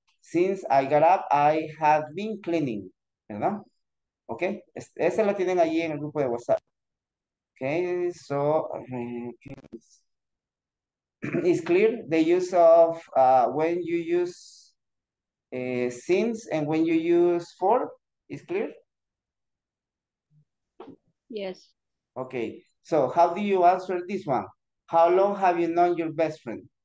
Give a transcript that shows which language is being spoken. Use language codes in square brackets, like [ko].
[en] Since I got up, I have been cleaning, ¿verdad? [es] Ok, ese lo tienen allí en el grupo de WhatsApp. [en] Ok, so, it's clear the use of when you use since and when you use for, is clear? Yes. Ok, so how do you answer this one? How long have you known your best friend?